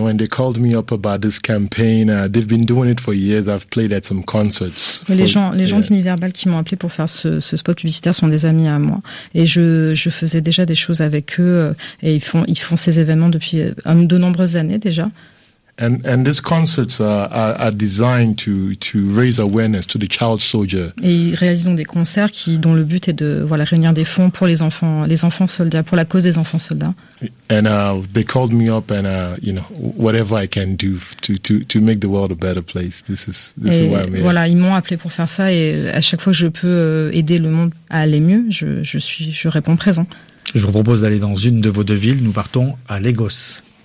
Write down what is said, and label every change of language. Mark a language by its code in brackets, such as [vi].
[en] When they called me up about this campaign, they've been doing it for years. I've played at some concerts. [fr] Les gens d'Univerbal qui m'ont appelé pour faire ce spot publicitaire sont des amis à moi. Et je faisais déjà des choses avec eux. Et ils font ces événements depuis de nombreuses années déjà. [en] And these concerts are designed to raise awareness to the child soldier. [fr] Et ils réalisent des concerts dont le but est de réunir des fonds pour les enfants soldats, pour la cause des enfants soldats. [en] And they called me up and whatever I can do to make the world a better place. This is why I'm here. [fr] Voilà, ils m'ont appelé pour faire ça et à chaque fois que je peux aider le monde à aller mieux, je réponds présent. Je vous propose d'aller dans une de vos deux villes. Nous partons à Lagos.